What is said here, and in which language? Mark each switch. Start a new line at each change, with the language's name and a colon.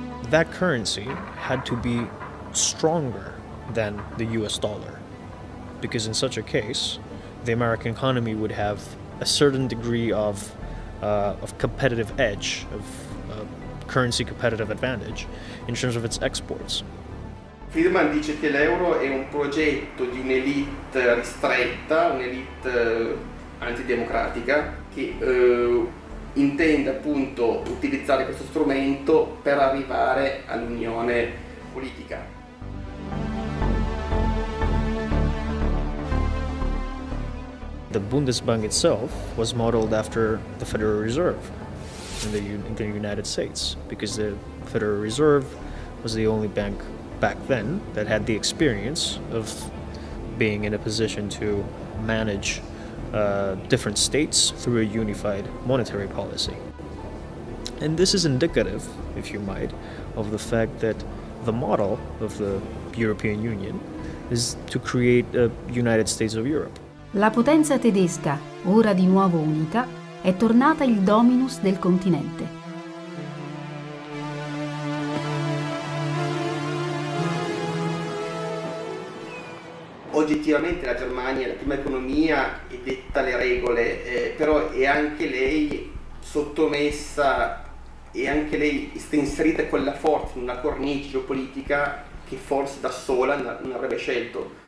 English: That currency had to be stronger than the US dollar, because in such a case, the American economy would have a certain degree of competitive edge, of currency competitive advantage, in terms of its exports.
Italian: Friedman dice che l'euro è un progetto di un'elite ristretta, un'elite antidemocratica, che intende appunto utilizzare questo strumento per arrivare all'unione politica.
English: The Bundesbank itself was modeled after the Federal Reserve in the United States, because the Federal Reserve was the only bank back then that had the experience of being in a position to manage different states through a unified monetary policy. And this is indicative, if you might, of the fact that the model of the European Union is to create a United States of Europe.
Italian: La potenza tedesca, ora di nuovo unita, è tornata il dominus del continente. Oggettivamente la Germania è la prima economia e detta le regole, però è anche lei sottomessa e anche lei sta inserita con la forza in una cornice geopolitica che forse da sola non avrebbe scelto.